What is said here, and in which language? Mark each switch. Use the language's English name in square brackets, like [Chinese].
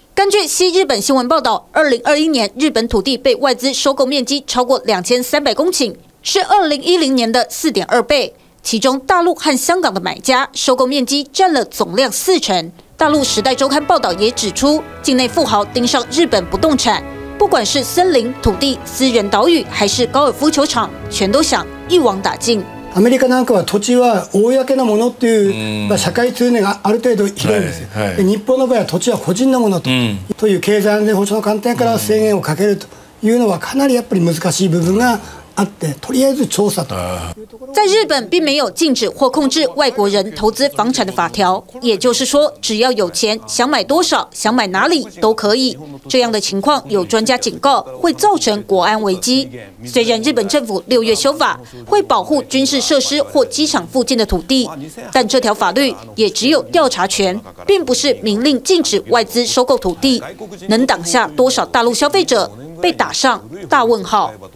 [Chinese] 根据西日本新闻报道，2021年日本土地被外资收购面积超过2300公顷，是2010年的4.2倍。其中，大陆和香港的买家收购面积占了总量40%。大陆时代周刊报道也指出，境内富豪盯上日本不动产，不管是森林土地、私人岛屿，还是高尔夫球场，全都想一网打尽。 [Japanese] アメリカなんかは土地は公のものっていう、まあ、社会通念がある程度広いんですよ、はいはい、で日本の場合は土地は個人のものと、という経済安全保障の観点から制限をかけるというのはかなりやっぱり難しい部分があって、とりあえず調査と。 [Chinese] 在日本并没有禁止或控制外国人投资房产的法条，也就是说只要有钱，想买多少想买哪里都可以。这样的情况有专家警告会造成国安危机。虽然日本政府6月修法会保护军事设施或机场附近的土地，但这条法律也只有调查权，并不是明令禁止外资收购土地，能挡下多少大陆消费者被打上大问号。